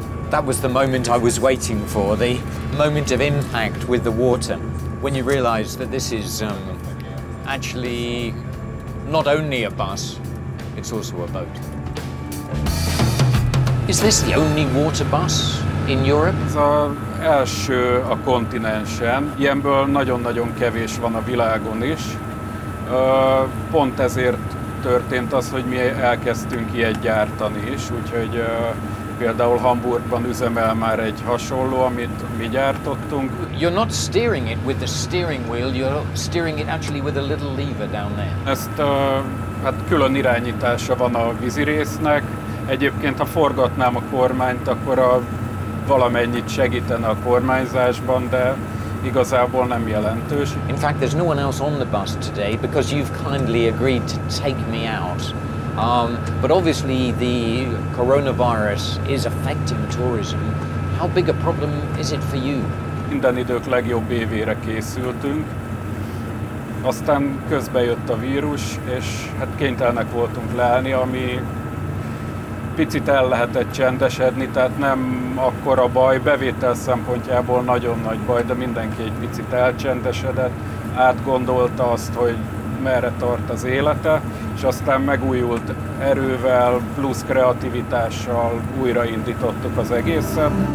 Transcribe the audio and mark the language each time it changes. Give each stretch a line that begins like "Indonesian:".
English: That was the moment I was waiting for, the moment of impact with the water. When you realise that this is actually not only a bus, it's also a boat. Is this the only water bus in Europe?
Hungarian: Ez az első a kontinensen. Ilyenből nagyon-nagyon kevés van a világon is. Pont ezért történt az, hogy mi elkezdtünk ilyet gyártani is, úgyhogy például Hamburgban üzemel már egy hasonló, amit mi gyártottunk.
English: You're not steering it with the steering wheel, you're steering it actually with a little lever down there.
Hungarian: Ezt hát külön irányítása van a vízirésznek. Egyébként, ha forgatnám a kormányt, akkor valamennyit segítene a kormányzásban, de igazából nem jelentős.
English: In fact, there's no one else on the bus today because you've kindly agreed to take me out. But obviously the coronavirus is affecting tourism. How big a problem is it for you?
Hungarian: Minden idők legjobb évére készültünk. Aztán közbe jött a vírus, és hát kénytelenek voltunk leállni, ami picit el lehetett csendesedni, tehát nem akkora baj, bevétel szempontjából nagyon nagy baj, de mindenki egy picit elcsendesedett, átgondolta azt, hogy merre tart az élete, és aztán megújult erővel, plusz kreativitással újraindítottuk az egészet.